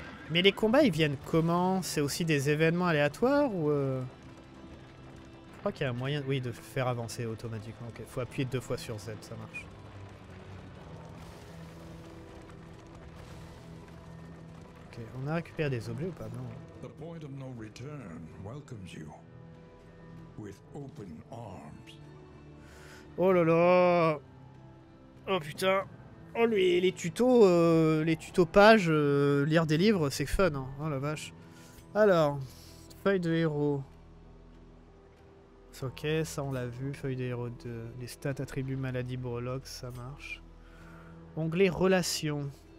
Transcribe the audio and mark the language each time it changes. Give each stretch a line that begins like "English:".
French: Mais les combats, ils viennent comment? C'est aussi des événements aléatoires ou. Je crois qu'il y a un moyen. Oui, de faire avancer automatiquement. Ok, faut appuyer deux fois sur Z, ça marche. Ok, on a récupéré des objets ou pas? Non.
English: The point of no return welcomes you with open arms.
French: Oh là là! Oh putain! Oh lui, les tutos pages, lire des livres, c'est fun, hein. Oh la vache. Alors, feuille de héros. C'est ok, ça on l'a vu, feuille de héros 2. Les stats, attributs, maladie, breloque, ça marche. Onglet relations.